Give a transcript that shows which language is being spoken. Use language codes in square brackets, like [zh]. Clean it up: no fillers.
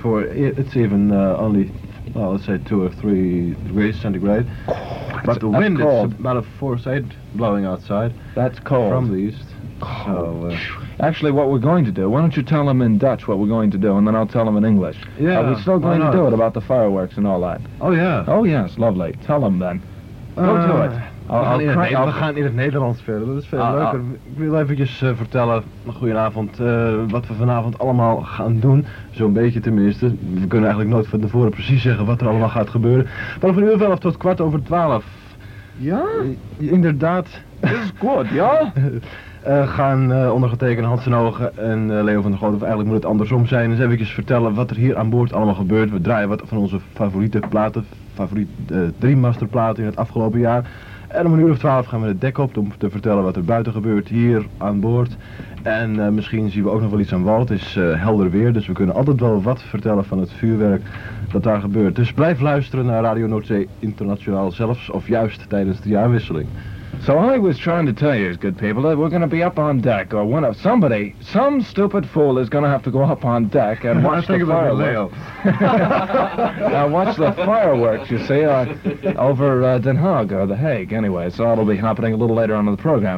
[en] For, it's even only, well, let's say 2 or 3 degrees centigrade. But the wind is about a force 8 blowing outside. That's cold. From the east. So, actually, what we're going to do, why don't you tell them in Dutch what we're going to do, and then I'll tell them in English. Yeah. Are we still going to do it about the fireworks and all that? Oh, yeah. Oh, yes. Lovely. Tell them then. Go to it. [nl] We gaan niet het Nederlands verder, dat is veel leuker. Ik wil eventjes vertellen, goedenavond, wat we vanavond allemaal gaan doen. Zo'n beetje tenminste. We kunnen eigenlijk nooit van tevoren precies zeggen wat er allemaal gaat gebeuren. Maar van 11:30 tot 11:45. Ja? Inderdaad. Dit is goed, ja? gaan ondergetekende Hans Den Hogen en Leo van der Groot, of eigenlijk moet het andersom zijn, eens eventjes vertellen wat er hier aan boord allemaal gebeurt. We draaien wat van onze favoriete platen, favoriete drie masterplaten in het afgelopen jaar. En om 11:30 gaan we het dek op om te vertellen wat er buiten gebeurt hier aan boord. En misschien zien we ook nog wel iets aan wal. Het is helder weer, dus we kunnen altijd wel wat vertellen van het vuurwerk dat daar gebeurt. Dus blijf luisteren naar Radio Noordzee Internationaal zelfs of juist tijdens de jaarwisseling. [en] So I was trying to tell you, good people, that we're going to be up on deck, or one of somebody, some stupid fool is going to have to go up on deck and watch the fireworks. Now watch the fireworks, you see, over Den Haag, or The Hague, anyway, so that'll be happening a little later on in the program.